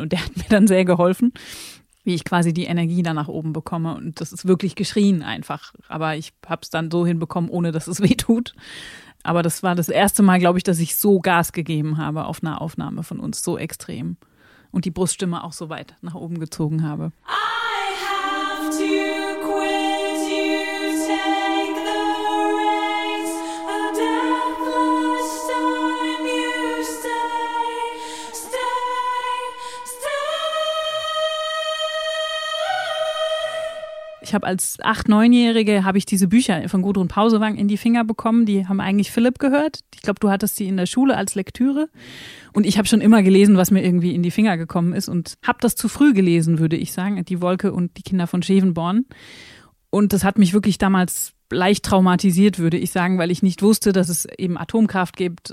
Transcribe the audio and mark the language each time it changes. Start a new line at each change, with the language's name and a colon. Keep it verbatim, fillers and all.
German: Und der hat mir dann sehr geholfen, wie ich quasi die Energie da nach oben bekomme und das ist wirklich geschrien einfach, aber ich habe es dann so hinbekommen, ohne dass es weh tut. Aber das war das erste Mal, glaube ich, dass ich so Gas gegeben habe auf einer Aufnahme von uns, so extrem. Und die Bruststimme auch so weit nach oben gezogen habe.
English: I have to quit, you take the reins, a deathless time you stay, stay, stay. Ich
German: ich habe als acht-, neunjährige habe ich diese Bücher von Gudrun Pausewang in die Finger bekommen. Die haben eigentlich Philipp gehört. Ich glaube, du hattest sie in der Schule als Lektüre. Und ich habe schon immer gelesen, was mir irgendwie in die Finger gekommen ist und habe das zu früh gelesen, würde ich sagen. Die Wolke und die Kinder von Schevenborn. Und das hat mich wirklich damals leicht traumatisiert, würde ich sagen, weil ich nicht wusste, dass es eben Atomkraft gibt.